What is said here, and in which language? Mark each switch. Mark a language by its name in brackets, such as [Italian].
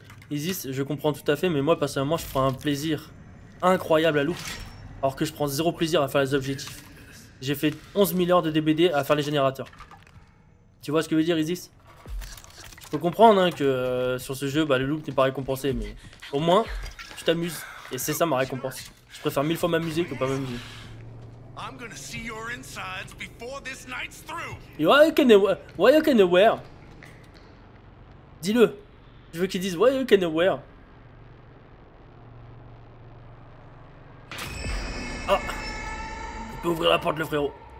[French] Isis, je comprends tout à fait, mais moi personnellement je prends un plaisir incroyable à Loup, alors que je prends zéro plaisir à faire les objectifs. J'ai fait 11 000 heures de DBD à faire les générateurs. Tu vois ce que veut dire Isis? Je peux comprendre hein, que sur ce jeu, bah, le Loup n'est pas récompensé, mais au moins tu t'amuses, et c'est ça ma récompense. Je préfère mille fois m'amuser que pas m'amuser. [English] I'm gonna see your insides before this night's through. Why you can aware? [French] Dis-le. Je veux qu'ils disent [English] why you can aware. [French] Ah. Tu peux ouvrir la porte le frérot.